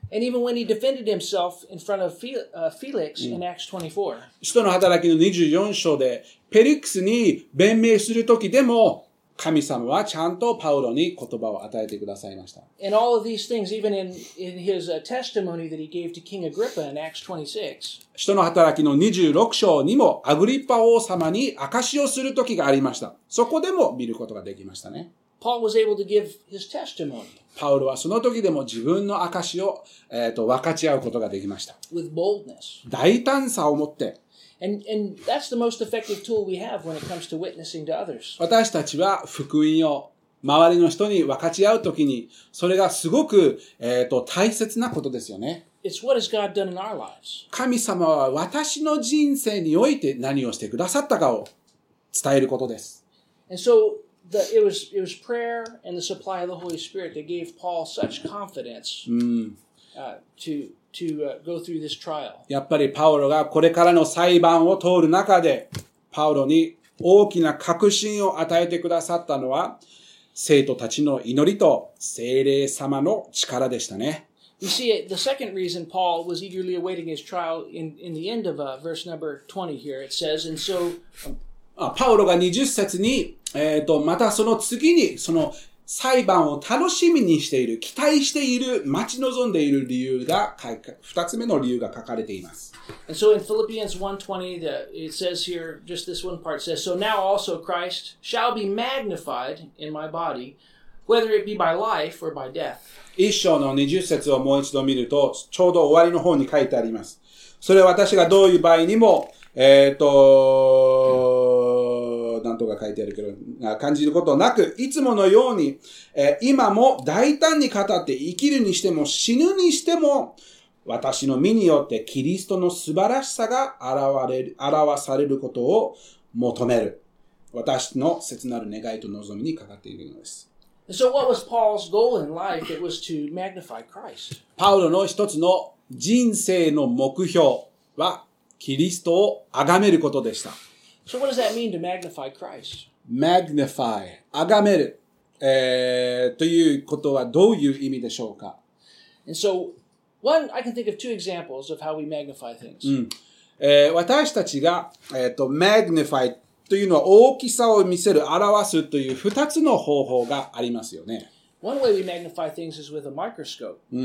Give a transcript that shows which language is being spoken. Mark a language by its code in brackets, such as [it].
[en] And even when he defended himself in front of Felix in Acts 24. [ja] 使徒の働きの24章で、ペリクスに弁明するときでも、神様はちゃんとパウロに言葉を与えてくださいました。 [en] And all of these things, even in his testimony that he gave to King Agrippa in Acts 26. [ja] 使徒の働きの26章にも、アグリッパ王様に証をするときがありました。そこでも見ることができましたね。 [en] Paul was able to give his testimony. [ja] パウロはその時でも自分の証を、分かち合うことができました。 [en] With boldness. [ja] 大胆さを持って。 [en] And that's the most effective tool we have when it comes to witnessing to others. [ja] 私たちは福音を周りの人に分かち合う時に、それがすごく、大切なことですよね。 [en] It's what has God done in our lives. [ja] 神様は私の人生において何をしてくださったかを伝えることです。 [en] And so,It was prayer and the supply of the Holy Spirit that gave Paul such confidence to go through this trial. [ja] やっぱりパウロがこれからの裁判を通る中で、パウロに大きな確信を与えてくださったのは、生徒たちの祈りと聖霊様の力でしたね。 [en] You see, the second reason Paul was eagerly awaiting his trial in the end of verse number 20 here, it says, and so... [ja] パウロが20節に、またその次に、その裁判を楽しみにしている、期待している、待ち望んでいる理由が、二つ目の理由が書かれています。 [en] And so in Philippians 1:20, it says here, just this one part says, So now also Christ shall be magnified in my body, whether it be by life or by death. [ja] 一章の20節をもう一度見ると、ちょうど終わりの方に書いてあります。それは私がどういう場合にも、なんとか書いてあるけど、感じることなく、いつものように、今も大胆に語って生きるにしても死ぬにしても、私の身によってキリストの素晴らしさが表されることを求める。私の切なる願いと望みにかかっているのです。 [en] So what was Paul's goal in life? It was to magnify Christ. [ja] パウロの一つの人生の目標は、キリストを崇めることでした。 [en] So what does that mean to magnify Christ? [ja] Magnify, 崇める、ということはどういう意味でしょうか? [en] And so, one, I can think of two examples of how we magnify things.、 [ja] 私たちが、magnify というのは大きさを見せる、表すという二つの方法がありますよね。 [en] One way we magnify things is with a microscope.